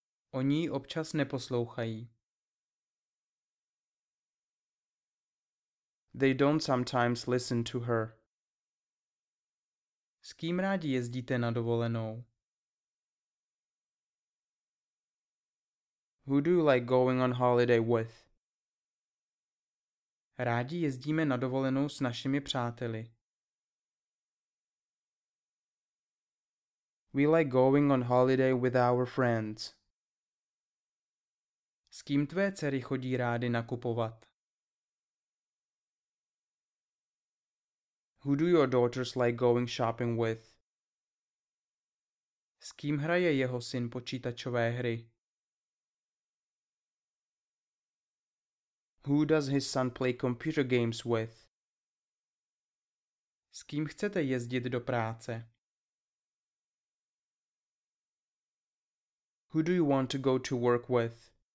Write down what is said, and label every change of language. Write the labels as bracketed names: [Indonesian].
[Czech] Oni občas neposlouchají. [English] They don't sometimes listen to her. [Czech] S kým rádi jezdíte na dovolenou? [English] Who do you like going on holiday with? [Czech] Rádi jezdíme na dovolenou s našimi přáteli. [English] We like going on holiday with our friends. [Czech] S kým tvé dcery chodí rády nakupovat? [English] Who do your daughters like going shopping with? [Czech] S kým hraje jeho syn počítačové hry? [English] Who does his son play computer games with? [Czech] S kým chcete jezdit do práce? [English] Who do you want to go to work with?